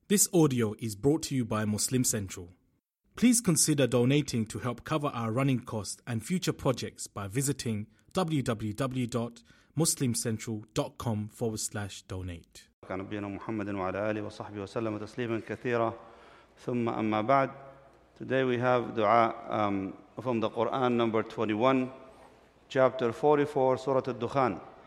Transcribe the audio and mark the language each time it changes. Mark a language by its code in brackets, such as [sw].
[en] This audio is brought to you by Muslim Central. Please consider donating to help cover our running costs and future projects by visiting www.muslimcentral.com/donate. [ar] نبينا محمد وعلى آله وصحبه وسلم تسليما كثيرا ثم أما بعد. [en] Today we have دعاء from the Quran number 21, chapter 44, سورة الدخان.